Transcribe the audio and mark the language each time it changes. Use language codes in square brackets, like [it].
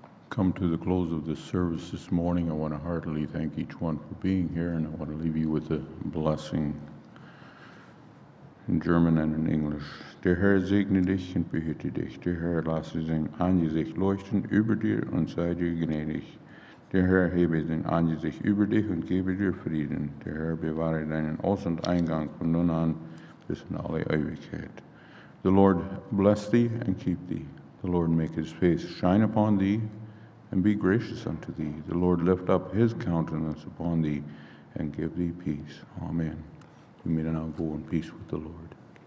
[en] come to the close of this service this morning, I want to heartily thank each one for being here, and I want to leave you with a blessing in German and in English. [de] Der Herr segne dich und behüte dich. Der Herr lasse sein Angesicht leuchten über dir und sei dir gnädig. Der Herr hebe sein Angesicht über dich und gebe dir Frieden. Der Herr bewahre deinen Aus- und Eingang von nun an bis in alle Ewigkeit. [en] The Lord bless thee and keep thee. The Lord make his face shine upon thee and be gracious unto thee. The Lord lift up his countenance upon thee and give thee peace. Amen. You may now go in peace with the Lord.